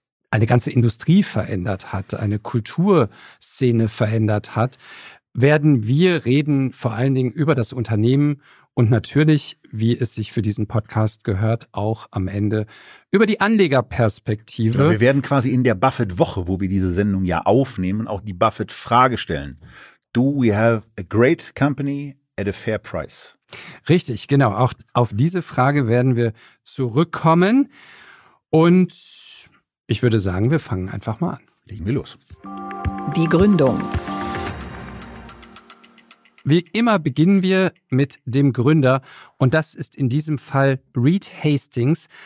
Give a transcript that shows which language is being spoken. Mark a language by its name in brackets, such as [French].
[German] eine ganze Industrie verändert hat, eine Kulturszene verändert hat, werden wir reden vor allen Dingen über das Unternehmen und natürlich, wie es sich für diesen Podcast gehört, auch am Ende über die Anlegerperspektive. Ja, wir werden quasi in der Buffett-Woche, wo wir diese Sendung ja aufnehmen, auch die Buffett-Frage stellen. [English] Do we have a great company at a fair price? [German] Richtig, genau. Auch auf diese Frage werden wir zurückkommen. Und ich würde sagen, wir fangen einfach mal an. Legen wir los. Die Gründung. Wie immer beginnen wir mit dem Gründer. Und das ist in diesem Fall Reed Hastings.